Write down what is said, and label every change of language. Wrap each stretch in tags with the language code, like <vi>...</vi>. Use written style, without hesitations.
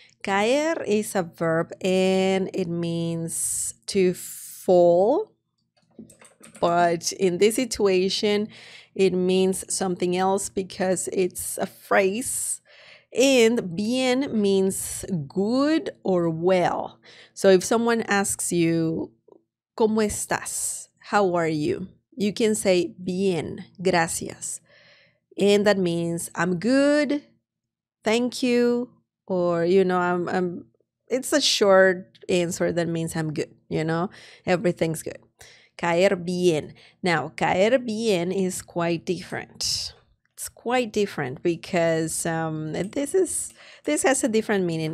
<en>Caer is a verb and it means to fall. But in this situation, it means something else because it's a phrase. And bien means good or well. So if someone asks you,</en> <es>¿Cómo estás?</es> <en>How are you? You can say</en> <es>bien, gracias.</es> <en>And that means I'm good, thank you, or it's a short answer that means I'm good, you know, everything's good. Caer bien. Now, caer bien is quite different. It's quite different because this has a different meaning.</en>